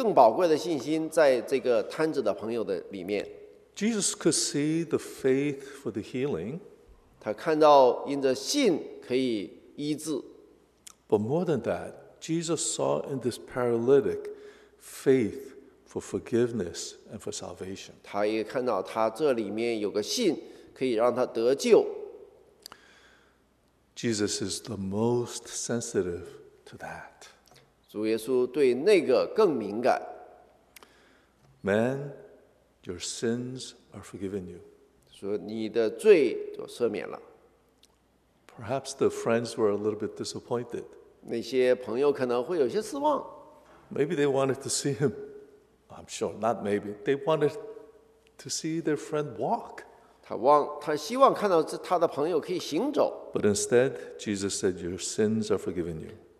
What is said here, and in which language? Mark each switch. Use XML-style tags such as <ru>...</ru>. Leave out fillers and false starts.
<zh>那个信心远超过金银，比金更宝贵的信心，在这个瘫子的朋友的里面。</zh> <en>Jesus could see the faith for the healing.</en> <zh>他看到因着信可以医治。</zh> <en>But more than that, Jesus saw in this paralytic faith for forgiveness and for salvation.</en> <zh>他也看到他这里面有个信，可以让他得救。</zh> <en>Jesus is the most sensitive to that.</en> <zh>主耶稣对那个更敏感。</zh> <en>Man, your sins are forgiven you.</en> <zh>说你的罪都赦免了。</zh> <en>Perhaps the friends were a little bit disappointed.</en> <zh>那些朋友可能会有些失望。</zh> <en>Maybe they wanted to see him. I'm sure not maybe. They wanted to see their friend walk.</en> <zh>他希望看到他的朋友可以行走。</zh> <en>But instead, Jesus said, your sins are forgiven you.</en>